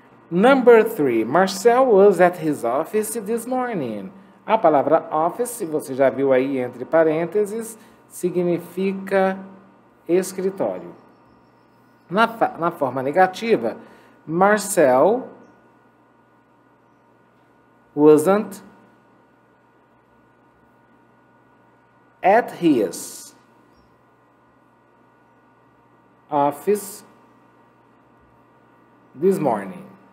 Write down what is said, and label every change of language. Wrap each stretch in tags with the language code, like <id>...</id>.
<en>Number three, Marcel was at his office this morning.</en> <pt>A palavra office, você já viu aí entre parênteses, significa escritório. Na forma negativa,</pt> <en>Marcel wasn't at his office this morning.</en>